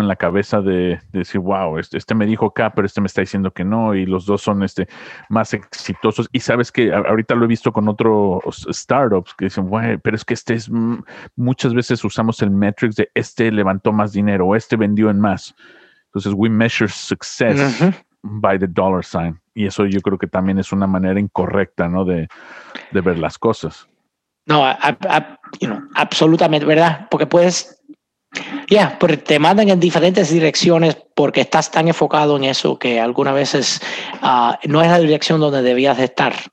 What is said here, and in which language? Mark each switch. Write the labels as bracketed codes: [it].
[es] En la cabeza de decir, wow, este me dijo acá, pero este me está diciendo que no, y los dos son más exitosos. Y sabes que ahorita lo he visto con otros startups que dicen, wow, pero es que muchas veces usamos el metrics de este levantó más dinero, o este vendió en más. Entonces, [en] we measure success by the dollar sign. [es] Y eso yo creo que también es una manera incorrecta, ¿no? De ver las cosas. No, absolutamente, ¿verdad? Porque puedes, porque te mandan en diferentes direcciones porque estás tan enfocado en eso que algunas veces no es la dirección donde debías de estar.